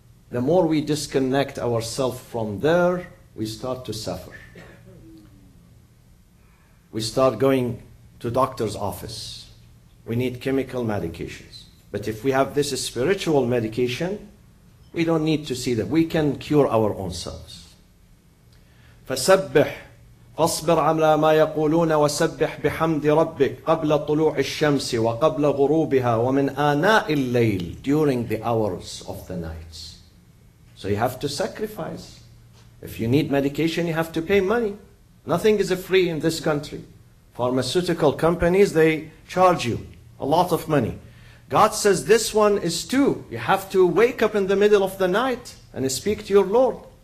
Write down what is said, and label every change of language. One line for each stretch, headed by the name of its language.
English: The more we disconnect ourselves from there, we start to suffer. We start going to doctor's office. We need chemical medications. But if we have this spiritual medication, we don't need to see that. We can cure our own selves.
Arabic: فسبح فاصبر على ما يقولون وسبح بحمد ربك قبل طلوع الشمس وقبل غروبها ومن آناء الليل.
English: During the hours of the nights. So you have to sacrifice. If you need medication, you have to pay money. Nothing is free in this country. Pharmaceutical companies, they charge you a lot of money. God says this one is too. You have to wake up in the middle of the night and speak to your Lord.